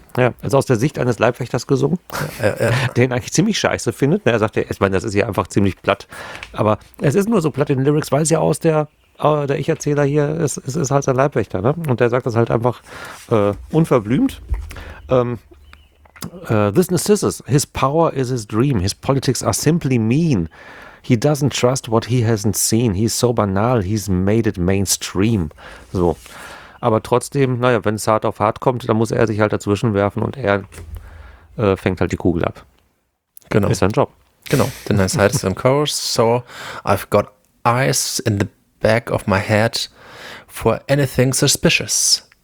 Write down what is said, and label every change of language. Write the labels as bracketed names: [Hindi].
[German] Ja, also aus der Sicht eines Leibwächters gesungen, der ihn eigentlich ziemlich scheiße findet. Er sagt ja, ich meine, das ist ja einfach ziemlich platt. Aber es ist nur so platt in den Lyrics, weil es ja aus der Ich-Erzähler hier ist, es ist halt sein Leibwächter, ne? Und der sagt das halt einfach unverblümt. [English] This Narcissus, his power is his dream, his politics are simply mean. He doesn't trust what he hasn't seen. He's so banal, he's made it mainstream. [German] So. Aber trotzdem, naja, wenn es hart auf hart kommt, dann muss er sich halt dazwischen werfen und er fängt halt die Kugel ab. Genau. Ist sein Job. Genau. [English] Then I said some chorus, so I've got eyes in the back of my head for anything suspicious.